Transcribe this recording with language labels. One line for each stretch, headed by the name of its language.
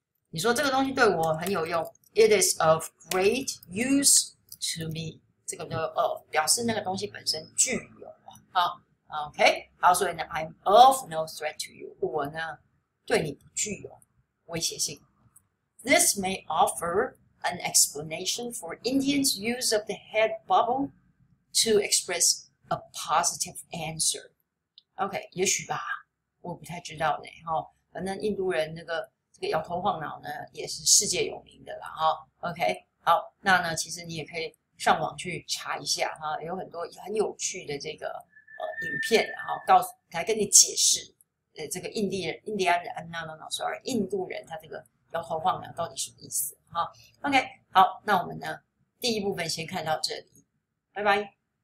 Chinese: 你说这个东西对我很有用，
English: It is of great use to me。
Chinese: 这个就 of 表示那个东西本身具有啊。
English: OK，
Chinese: 好，所以呢，
English: I'm of no threat to you。
Chinese: 我呢，对你不具有威胁性。
English: This may offer An explanation for Indians' use of the head bubble to express a positive answer.
Chinese: OK，也许吧，我不太知道呢。哈，反正印度人这个摇头晃脑呢，也是世界有名的了。哈，OK，好，那呢，其实你也可以上网去查一下哈，有很多很有趣的这个影片，然后告诉来跟你解释，这个印第安人，
English: no，sorry，
Chinese: 印度人他这个摇头晃脑到底什么意思？好，OK，好，那我们呢，第一部分先看到这里，拜拜。